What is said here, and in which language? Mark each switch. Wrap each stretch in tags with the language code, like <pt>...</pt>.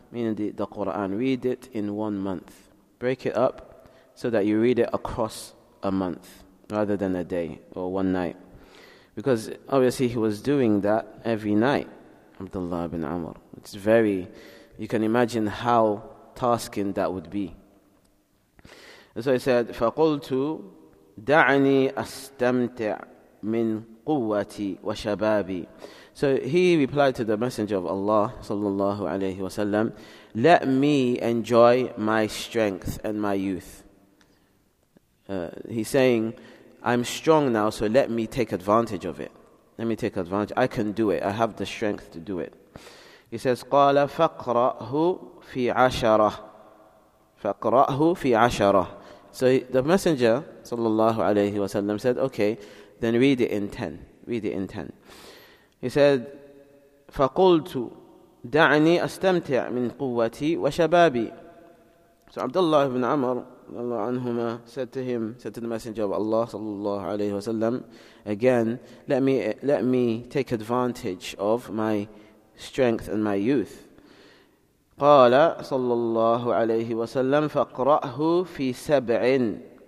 <en>meaning the Quran, read it in 1 month. Break it up so that you read it across a month rather than a day or one night. Because obviously he was doing that every night, Abdullah ibn Amr. It's very, you can imagine how tasking that would be. And so he said,</en> <ar>فَقُلْتُ دَعْنِي أَسْتَمْتِعْ مِنْ قُوَّتِي وَشَبَابِي.</ar> <en>So he replied to the Messenger of Allah, sallallahu alayhi wa sallam, let me enjoy my strength and my youth. He's saying, I'm strong now, so let me take advantage of it. Let me take advantage. I can do it. I have the strength to do it. He says,</en> <ar>قَالَ فَقْرَأْهُ فِي عَشَرَةٍ. فَقْرَأْهُ فِي عَشَرَةٍ.</ar> <en>So the Messenger, sallallahu alayhi wasallam, said, okay, then read it in 10. Read it in 10. He said,</en> <ar>فَقُلْتُ دَعْنِي أَسْتَمْتِعْ مِنْ قُوَّتِي وَشَبَابِي.</ar> <en>So Abdullah ibn Amr, Allah anhuma, said to the Messenger of Allah, sallallahu alayhi wasallam, again, let me take advantage of my strength and my youth.</en> <ar>قَالَ صَلَّى اللَّهُ عَلَيْهِ وَسَلَّمْ فَقْرَأْهُ فِي سَبْعٍ.</ar>